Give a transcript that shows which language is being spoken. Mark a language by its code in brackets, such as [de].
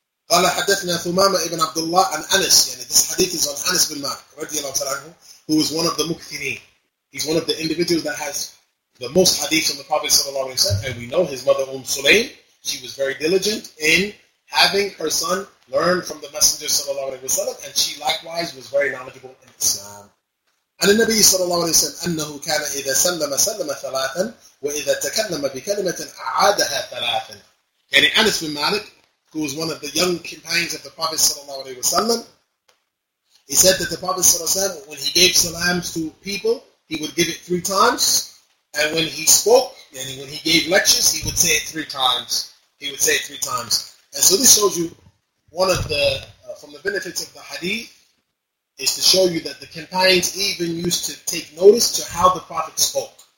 [ar] قال حدثنا ثمامة ابن عبد الله عن أنس يعني [en] this hadith is on Anas bin Malik رضي الله تعالى عنه who is one of the mukthirin. He's one of the individuals that has the most hadith from the Prophet صلى الله عليه وسلم, and we know his mother Umm Sulaym, she was very diligent in having her son learn from the Messenger صلى الله عليه وسلم, and she likewise was very knowledgeable in Islam. [ar] عن النبي صلى الله عليه وسلم أنه كان إذا سلم سلم ثلاثا وإذا تكلم بكلمة أعادها ثلاثا. [en] يعني Anas bin Malik, who was one of the young companions of the Prophet sallallahu alaihi wasallam, he said that the Prophet sallallahu alaihi wasallam, when he gave salams to people, he would give it three times, and when he spoke, and when he gave lectures, he would say it three times. He would say it three times, and so this shows you one of the from the benefits of the hadith is to show you that the companions even used to take notice to how the Prophet spoke.